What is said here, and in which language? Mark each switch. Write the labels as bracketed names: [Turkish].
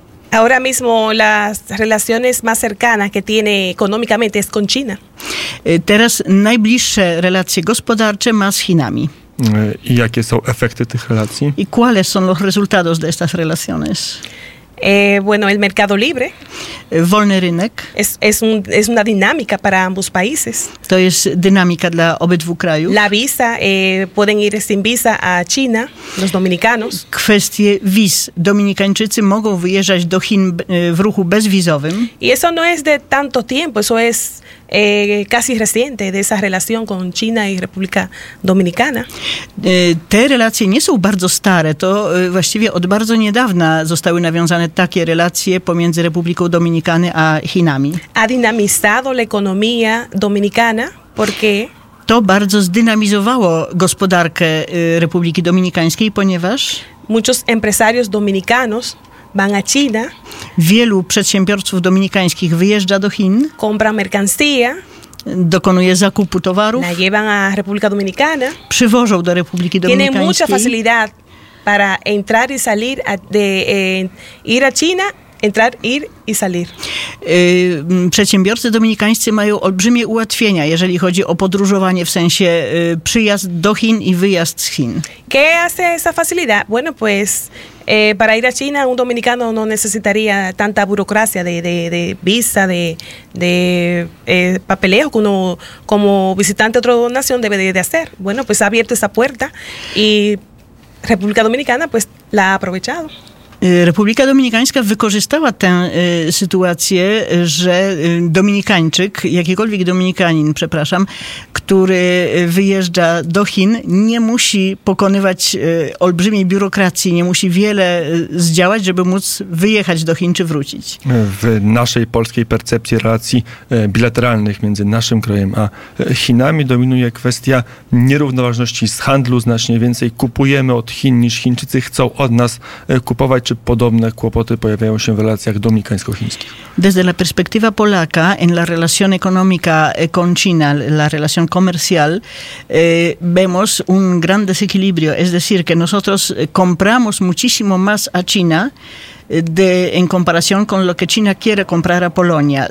[Spanish] Ahora mismo las relaciones más cercanas que tiene económicamente es con China. [Polish] Teraz najbliższe relacje gospodarcze ma z Chinami. [Spanish] ¿Y [Polish] jakie są efekty tych relacji? [Spanish] ¿Y cuáles son los resultados de estas relaciones? Bueno, el mercado libre. [Polish] Wolny rynek. [Spanish] Es una dinámica para ambos países. [Polish] To jest dynamika dla obydwu krajów. [Spanish] La visa, pueden ir sin visa a China, los dominicanos. [Polish] Kwestie wiz. Dominikańczycy mogą wyjeżdżać do Chin w ruchu bezwizowym. [Spanish] Y eso no es de tanto tiempo, eso es casi reciente, de esa relación con China y República Dominicana. [Polish] Te relacje nie są bardzo stare, to właściwie od bardzo niedawna zostały nawiązane takie relacje pomiędzy Republiką Dominikany a Chinami. [Spanish] Ha dinamizado la economía dominicana, porque... [Polish] To bardzo zdynamizowało gospodarkę Republiki Dominikańskiej, ponieważ... [Spanish] Muchos empresarios dominicanos van a China. [Polish] Wielu przedsiębiorców dominikańskich wyjeżdża do Chin. [Spanish] Compra mercancía. [Polish] Dokonuje zakupu towarów. [Spanish] La llevan a República Dominicana. [Polish] Przywożą do Republiki Dominikańskiej. [Spanish] Tienen mucha facilidad para entrar y salir ir a China, entrar, ir y salir. [Polish] Przedsiębiorcy dominikańscy mają olbrzymie ułatwienia, jeżeli chodzi o podróżowanie, w sensie przyjazd do Chin i wyjazd z Chin. [Spanish] ¿Qué hace esa facilidad? Bueno, pues para ir a China un dominicano no necesitaría tanta burocracia de visa, de papeleo que uno como visitante de otra nación debe de hacer. Bueno, pues ha abierto esa puerta y República Dominicana pues la ha aprovechado. [Polish] Republika Dominikańska wykorzystała tę sytuację, że Dominikańczyk, jakikolwiek Dominikanin, przepraszam, który wyjeżdża do Chin, nie musi pokonywać olbrzymiej biurokracji, nie musi wiele zdziałać, żeby móc wyjechać do Chin czy wrócić. W naszej polskiej percepcji relacji bilateralnych między naszym krajem a Chinami dominuje kwestia nierównoważności z handlu. Znacznie więcej kupujemy od Chin niż Chińczycy chcą od nas kupować. Czy podobne kłopoty pojawiają się w relacjach dominikańsko-chińskich? [Spanish] Desde la perspectiva polaca, en la relación económica con China, la relación comercial, vemos un gran desequilibrio. Es decir, que nosotros compramos muchísimo más a China en comparación con lo que China quiere comprar a Polonia.